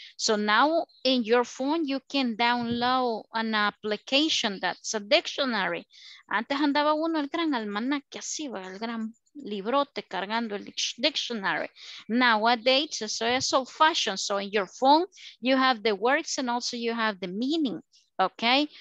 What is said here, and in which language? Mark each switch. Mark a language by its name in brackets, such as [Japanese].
[English] So now in your phone, you can download an application that's a dictionary. [Spanish] Antes andaba uno el gran almanaque así, el gran librote cargando el dictionary. Nowadays, eso es [English] old fashioned. So in your phone, you have the words and also you have the meaning, okay?